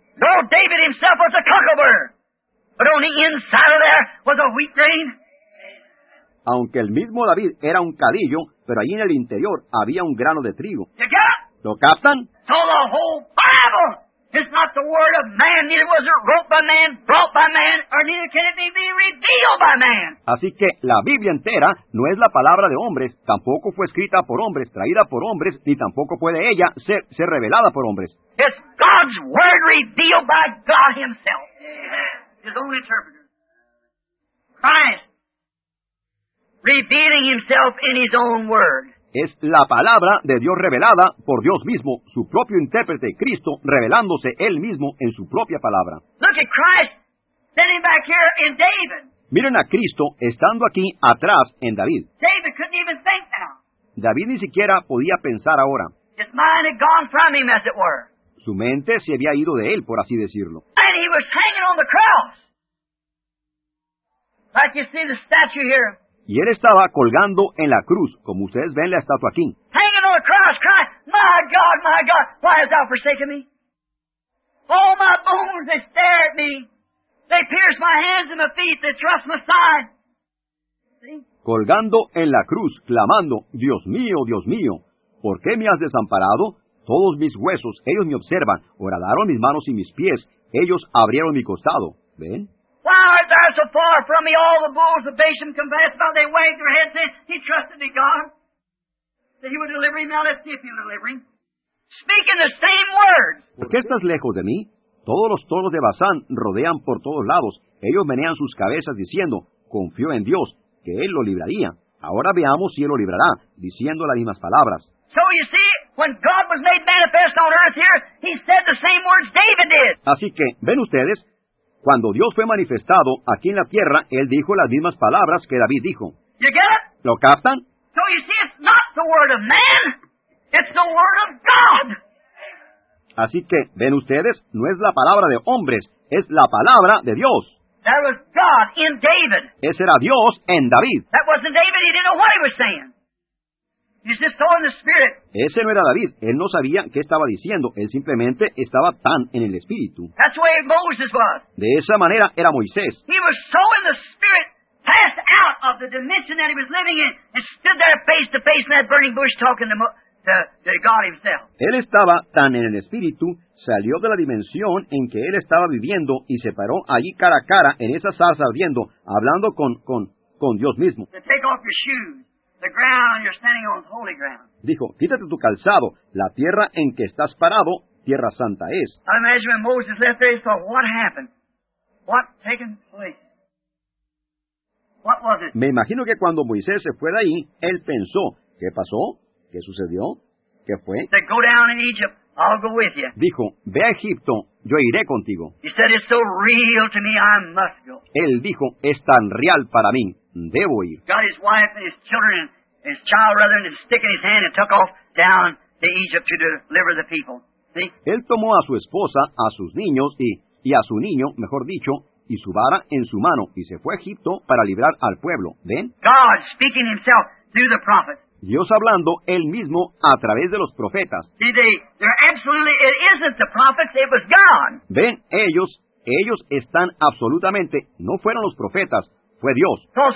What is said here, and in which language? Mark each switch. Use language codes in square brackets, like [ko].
[en] No, David himself was a cucklebur, but on the inside of there was a wheat grain. [es] Aunque el mismo David era un cadillo, pero allí en el interior había un grano de trigo. ¿Lo captan? [en] So the whole Bible is not the word of man, neither was it wrote by man, brought by man, or neither can it be revealed by man. [es] Así que la Biblia entera no es la palabra de hombres, tampoco fue escrita por hombres, traída por hombres, ni tampoco puede ella ser revelada por hombres. [en] It's God's word revealed by God himself. His own interpreter. Christ. Revealing himself in his own word. [es] Es la palabra de Dios revelada por Dios mismo, su propio intérprete, Cristo, revelándose él mismo en su propia palabra. [en] Look at Christ sitting back here in David. [es] Miren a Cristo estando aquí atrás en David. [en] David couldn't even think now. [es] David ni siquiera podía pensar ahora. [en] His mind had gone from him, as it were. [es] Su mente se había ido de él, por así decirlo. [en] And he was hanging on the cross. Like you see the statue here. [es] Y él estaba colgando en la cruz, como ustedes ven la estatua aquí. [en] Hanging on the cross, crying, my God, why hast thou forsaken me? All my bones, they stare at me. They pierce my hands and my feet, they thrust my side. See? [es] Colgando en la cruz, clamando, Dios mío, ¿por qué me has desamparado? Todos mis huesos, ellos me observan, horadaron mis manos y mis pies, ellos abrieron mi costado. ¿Ven? [en] Why art thou so far from me? All the bulls of Bashan confessed how they wagged their heads and said, he trusted in God. That he would deliver him. Now let's see if he'll deliver him. Speaking the same words. [es] ¿Por qué estás lejos de mí? Todos los toros de Basán rodean por todos lados. Ellos menean sus cabezas diciendo, confío en Dios, que él lo libraría. Ahora veamos si él lo librará, diciendo las mismas palabras. [en] So you see, when God was made manifest on earth here, he said the same words David did. [es] Así que, ven ustedes, cuando Dios fue manifestado aquí en la tierra, él dijo las mismas palabras que David dijo. [en] You get it? [es] ¿Lo captan? [en] So you see, it's not the word of man, it's the word of God. [es] Así que, ven ustedes, no es la palabra de hombres, es la palabra de Dios. [en] That was God in David. [es] Ese era Dios en David. [en] That wasn't David, he didn't know what he was saying. He's just so in the spirit. [es] Ese no era David. Él no sabía qué estaba diciendo. Él simplemente estaba tan en el espíritu. [en] That's the way Moses was. [es] De esa manera era Moisés. [en] He was so in the spirit, passed out of the dimension that he was living in, and stood there face to face in that burning bush talking to God himself. [es] Él estaba tan en el espíritu, salió de la dimensión en que él estaba viviendo y se paró allí cara a cara en esa zarza ardiendo, hablando con Dios mismo. [en] To take off your shoes. The ground you're standing on is holy ground. [es] Dijo, quítate tu calzado. La tierra en que estás parado, tierra santa es. [en] I imagine when Moses left there, he thought, what happened? What taken place? What was it? [es] Me imagino que cuando Moisés se fue de ahí, él pensó, ¿qué pasó? ¿Qué sucedió? ¿Qué fue? [en] He said, go down in Egypt. I'll go with you. [es] Dijo, ve a Egipto. Yo iré contigo. [en] He said, it's so real to me, I must go. [es] Él dijo, es tan real para mí. Debo ir. [en] Got his wife and his children and his child brother and his stick in his hand and took off down to Egypt to deliver the people. See? [es] Él tomó a su esposa, a sus niños y a su niño, mejor dicho, y su vara en su mano y se fue a Egipto para librar al pueblo. ¿Ven? [en] God speaking himself through the prophets. [es] Dios hablando él mismo a través de los profetas. [en] See, they're absolutely, it isn't the prophets, it was God. [es] ¿Ven? Ellos están absolutamente, no fueron los profetas, fue Dios.